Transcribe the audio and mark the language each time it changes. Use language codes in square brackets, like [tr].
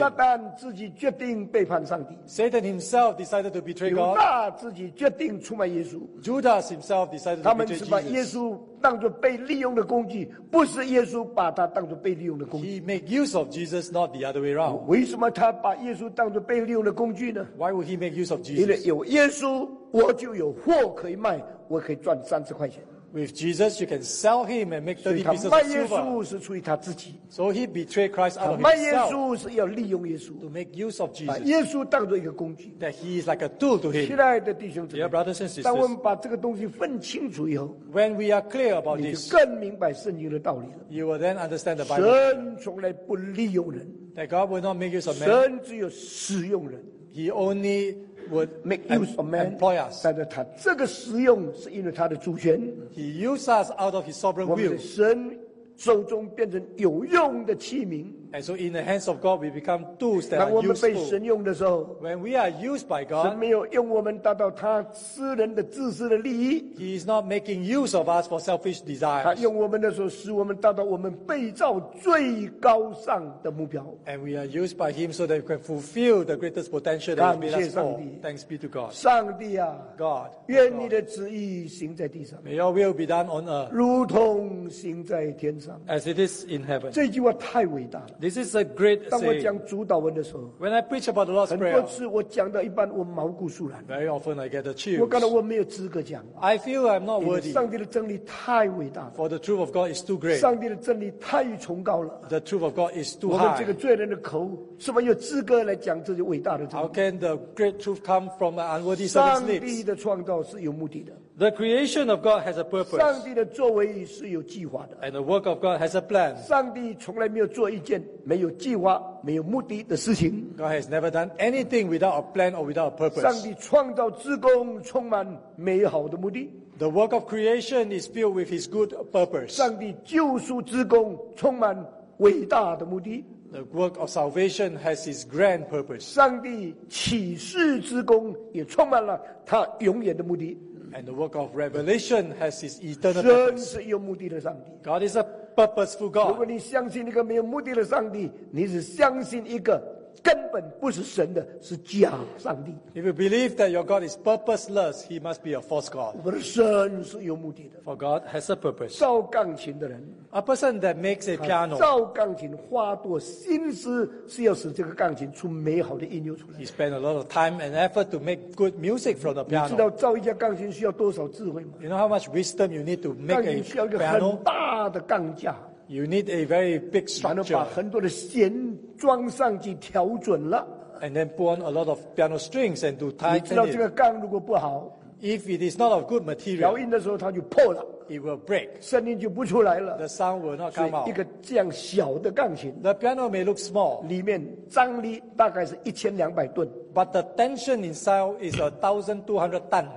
[zh] 撒旦自己决定背叛上帝。 [en] Satan himself decided to betray God. [zh] 犹大自己决定出卖耶稣。 [en] Judas himself decided to betray Jesus. [zh] 他们是把耶稣当作被利用的工具，不是耶稣把他当作被利用的工具。 [en] He make use of Jesus, not the other way around. [zh] 为什么他把耶稣当作被利用的工具呢？ [en] Why would he make use of Jesus? [zh] 因为有耶稣，我就有货可以卖，我可以赚30块钱。 [en] With Jesus, you can sell him and make 30 pieces of silver. [zh] 卖耶稣是出于他自己。 [en] So he betrayed Christ out of himself. [zh] 卖耶稣是要利用耶稣。 [en] To make use of Jesus. [zh] 把耶稣当作一个工具。 [en] That he is like a tool to him. [zh] 亲爱的弟兄姊妹。 [en] Dear brothers and sisters. [zh] 当我们把这个东西分清楚以后。 [en] When we are clear about this. [zh] 你就更明白圣经的道理了。 [en] You will then understand the Bible. [zh] 神从来不利用人。 [en] That God will not make use of man. [zh] 神只有使用人。 [en] He only would make use of man, employ us. [zh] 但是他这个使用是因为他的主权。 [en] He used us out of his sovereign will. [zh] 我们在神手中变成有用的器皿。 [en] And so in the hands of God, we become tools that are useful. [zh] 当我们被神用的时候， [en] when we are used by God, [zh] 神没有用我们达到他私人的自私的利益。 [en] He is not making use of us for selfish desires. [zh] 他用我们的时候，使我们达到我们被造最高尚的目标。 [en] And we are used by Him so that we can fulfill the greatest potential that He made us for. Thanks be to God. [zh] 上帝啊， [en] God, [zh] 愿你的旨意行在地上。 [en] May your will be done on earth. [zh] 如同行在天上。 [en] As it is in heaven. [zh] 这句话太伟大。 [en] This is a great saying. [zh] 当我讲主导文的时候， [en] when I preach about the Lord's Prayer, [zh] 很多次我讲到一半，我毛骨悚然。 [en] Very often I get the chills. [zh] 我感到我没有资格讲。 [en] I feel I'm not worthy. [zh] 因为上帝的真理太伟大了。 [en] For the truth of God is too great. [zh] 上帝的真理太崇高了。 [en] The truth of God is too high. [zh] 我们这个罪人的口，是否有资格来讲这些伟大的真理？ [en] How can the great truth come from an unworthy servant's lips? [zh] 上帝的创造是有目的的。 [en] The creation of God has a purpose. [zh] 上帝的作为是有计划的。 [en] And the work of God has a plan. [zh] 上帝从来没有做一件没有计划、没有目的的事情。 [en] God has never done anything without a plan or without a purpose. [zh] 上帝创造之工充满美好的目的。 [en] The work of creation is filled with His good purpose. [zh] 上帝救赎之工充满伟大的目的。 [en] The work of salvation has its grand purpose. [zh] 上帝启示之工也充满了他永远的目的。 [en] And the work of revelation has its eternal [zh] purpose. 神是有目的的上帝。 [en] God is a purposeful God. [zh] 如果你相信一个没有目的的上帝，你是相信一个根本不是神的，是假上帝。 [en] If you believe that your God is purposeless, he must be a false God. [zh] 我们的神是有目的的。 [en] For God has a purpose. [zh] 造钢琴的人。 [en] A person that makes a piano. [zh] 造钢琴花多心思是要使这个钢琴出美好的音乐出来。 [en] He spent a lot of time and effort to make good music from the piano. [zh] 你知道造一架钢琴需要多少智慧吗？ [en] You know how much wisdom you need to make a piano? [zh] 钢琴需要一个很大的钢架。 [en] You need a very big structure. [zh] 然后把很多的弦装上去调准了。 [en] And then put on a lot of piano strings and to tighten it. [zh] 你知道这个钢如果不好， [en] if it is not of good material, [zh] 调音的时候它就破了。 [en] It will break. [zh] 声音就不出来了。 [en] The sound will not come out. [zh] 一个这样小的钢琴， [en] the piano may look small. [zh] 里面张力大概是1200吨。 [en] But the tension inside is 1200 ton.